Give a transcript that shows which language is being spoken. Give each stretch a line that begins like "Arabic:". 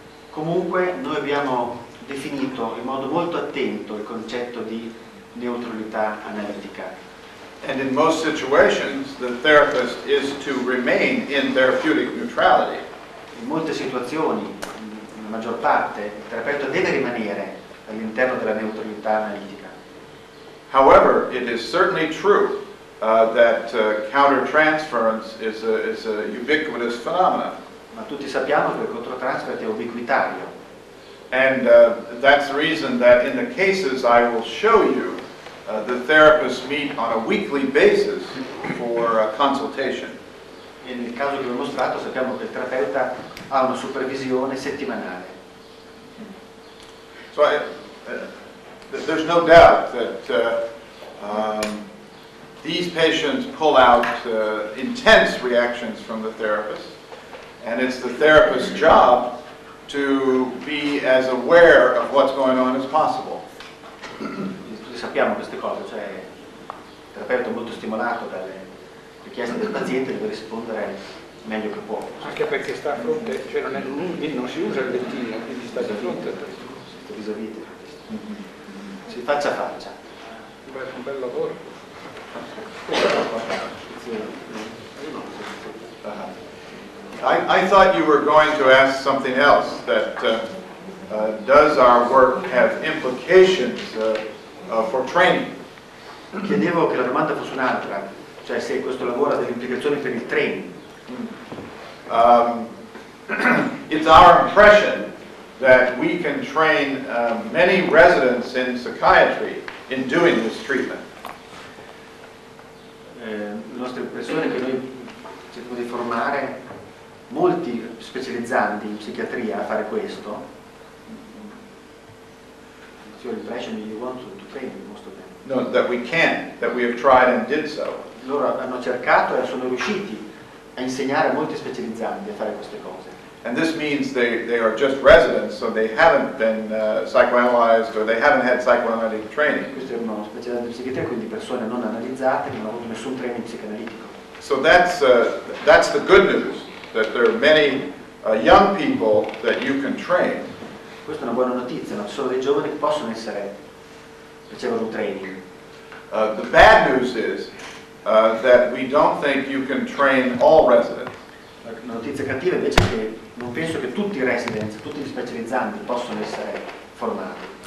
Italian: Comunque noi abbiamo definito in modo molto attento il concetto di neutralità analitica.
English: And in most situations the therapist is to remain in therapeutic neutrality.
Italian: In molte situazioni, nella maggior parte, il terapeuta deve rimanere all'interno della neutralità analitica.
English: However, it is certainly true that countertransference is a ubiquitous phenomenon.
Italian: Ma tutti sappiamo che il controtransfert è ubiquitario.
English: And that's the reason that in the cases I will show you, the therapists meet on a weekly basis for a consultation.
Italian: E nel caso che ho mostrato sappiamo che il terapeuta ha una supervisione settimanale.
English: So there's no doubt that these patients pull out intense reactions from the therapist, and it's the therapist's job to be as aware of what's going on as possible.
Italian: Tutti sappiamo queste cose, cioè il terapeuta è molto stimolato dalle richiesta del paziente, deve rispondere meglio che può. Anche perché sta a fronte, cioè non si usa il lettino, quindi sta di fronte al paziente. Vis-à-vis. Si faccia a faccia. Un bel lavoro.
English: I thought you were going to ask something else, that does our work have implications for training?
Italian: Chiedevo che la domanda fosse un'altra. Cioè se questo lavoro ha delle implicazioni per il training.
English: It's our impression that we can train many residents in psychiatry in doing this treatment.
Italian: La nostra impressione è che noi cerchiamo di formare molti specializzanti in psichiatria a fare questo.
English: It's your impression that you want to train most of them. No, that we can, that we have tried and did so.
Italian: Loro hanno cercato e sono riusciti a insegnare a molti specializzanti a fare queste cose.
English: And this means they are just residents, so they haven't been psychoanalyzed or they haven't had psychoanalytic training.
Italian: Questi erano specializzati in psichiatria, quindi persone non analizzate, non hanno avuto nessun training psicoanalitico.
English: So that's the good news, that there are many young people that you can train.
Italian: Questa è una buona notizia, non solo dei giovani che possono essere ricevono training.
English: The bad news is that we don't think you can train all residents.
Italian: La notizia cattiva invece è che non penso che tutti i residents, tutti gli specializzanti possono essere formati.